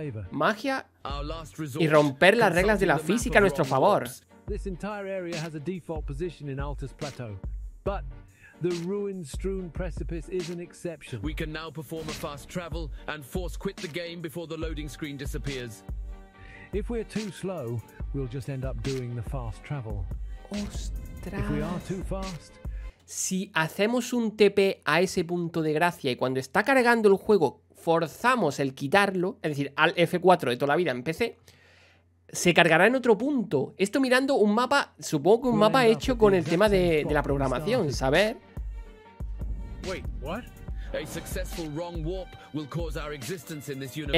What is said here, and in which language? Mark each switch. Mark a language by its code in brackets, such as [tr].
[es] Magia y romper las reglas de la física a nuestro favor. [en] This entire area has a default position in Altus Plateau, but the ruin-strewn precipice is an exception. We can now perform a fast travel and force quit the game before the loading screen disappears. If we're too slow, we'll just end up doing the fast travel. [es] Ostras. [en] If we are too fast. [es] Si hacemos un TP a ese punto de gracia y cuando está cargando el juego forzamos el quitarlo, es decir, al F4 de toda la vida en PC. Se cargará en otro punto. Esto mirando un mapa, supongo que un mapa hecho con el tema de la programación, ¿sabes? [en] Wait, what? A successful wrong warp will cause our existence in this universe.